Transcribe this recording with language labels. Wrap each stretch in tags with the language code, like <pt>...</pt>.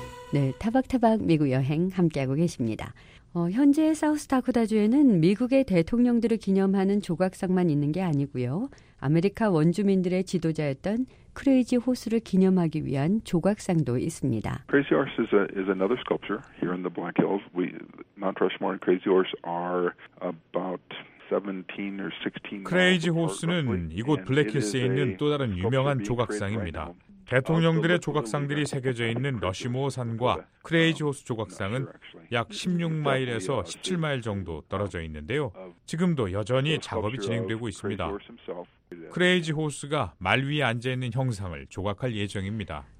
<ko>네, 타박타박 미국 여행 함께하고 계십니다. 현재 사우스다코타주에는 미국의 대통령들을 기념하는 조각상만 있는 게 아니고요. 아메리카 원주민들의 지도자였던 크레이지 호스를 기념하기 위한 조각상도 있습니다.</ko> <en>Crazy Horse is another sculpture here in the Black Hills. Mount Rushmore and Crazy Horse are about 17 or 16.</en> <ko>크레이지 호스는 이곳 블랙힐스에 있는 또 다른 유명한 조각상입니다. 대통령들의 조각상들이 새겨져 있는 러시모어 산과 크레이지 호스 조각상은 약 16마일에서 17마일 정도 떨어져 있는데요. 지금도 여전히 작업이 진행되고 있습니다. 크레이지 호스가 말 위에 앉아있는 형상을 조각할 예정입니다.</ko>